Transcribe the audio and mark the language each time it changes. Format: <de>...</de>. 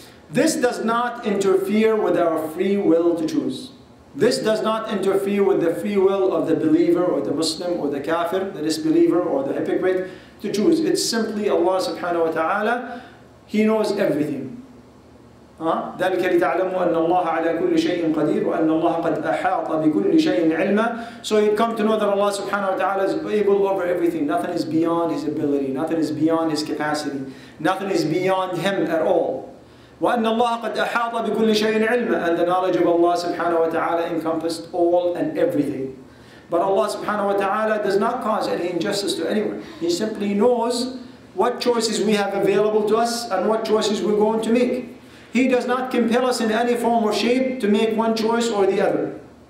<en>This does not interfere with our free will to choose. This does not interfere with the free will of the believer or the Muslim or the kafir, the disbeliever or the hypocrite to choose. It's simply Allah subhanahu wa ta'ala, He knows everything.</en> <ar>ذلك لتعلموا أن الله على كل شيء قدير وأن الله قد أحاط بكل شيء علما.</ar> <en>So you come to know that Allah subhanahu wa ta'ala is able over everything. Nothing is beyond His ability. Nothing is beyond His capacity. Nothing is beyond Him at all.</en> <ar>وأن الله قد أحاط بكل شيء علما.</ar> <en>And the knowledge of Allah subhanahu wa ta'ala encompassed all and everything. But Allah subhanahu wa ta'ala does not cause any injustice to anyone. He simply knows what choices we have available to us and what choices we're going to make. He does not compel us in any form or shape to make one choice or the other.</en>